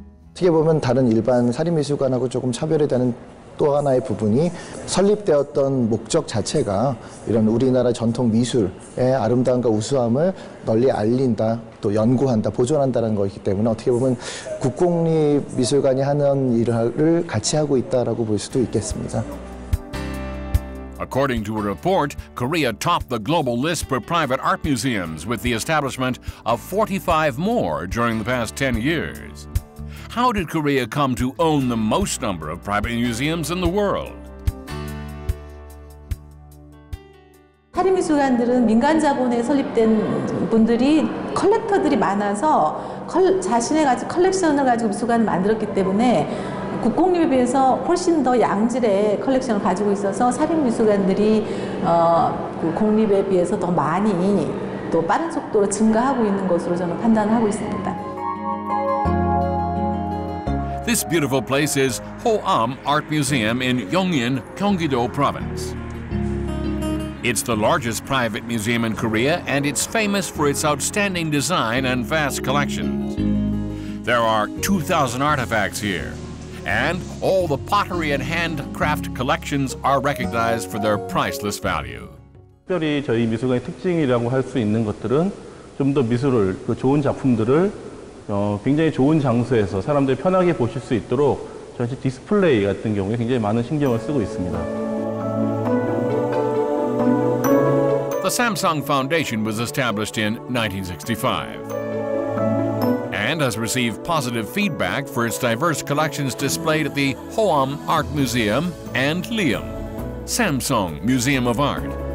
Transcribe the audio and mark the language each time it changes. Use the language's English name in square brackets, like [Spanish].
[Korean] 어떻게 보면 다른 일반 사립미술관하고 조금 차별이 되는 또 하나의 부분이 설립되었던 목적 자체가 이런 우리나라 전통 미술의 아름다움과 우수함을 널리 알린다, 또 연구한다, 보존한다는 것이기 때문에 어떻게 보면 국공립미술관이 하는 일을 같이 하고 있다고 볼 수도 있겠습니다. [English] According to a report, Korea topped the global list for private art museums with the establishment of 45 more during the past 10 years. How did Korea come to own the most number of private museums in the world? [Korean] 사립미술관들은 민간 자본에 설립된 분들이 컬렉터들이 많아서 자신의 가지고 컬렉션을 가지고 미술관을 만들었기 때문에 국공립에 비해서 훨씬 더 양질의 컬렉션을 가지고 있어서 사립미술관들이 공립에 비해서 더 많이 또 빠른 속도로 증가하고 있는 것으로 저는 판단하고 있습니다. [English] This beautiful place is Hoam Art Museum in Yongin, Gyeonggi-do Province. It's the largest private museum in Korea, and it's famous for its outstanding design and vast collections. There are 2,000 artifacts here, and all the pottery and handcraft collections are recognized for their priceless value. [Korean] 특별히 저희 미술관의 특징이라고 할 수 있는 것들은 좀 더 미술을 그 좋은 작품들을 굉장히 좋은 장소에서 사람들이 편하게 보실 수 있도록 전체 디스플레이 같은 경우에 굉장히 많은 신경을 쓰고 있습니다. [English] The Samsung Foundation was established in 1965 and has received positive feedback for its diverse collections displayed at the Hoam Art Museum and Liam Samsung Museum of Art.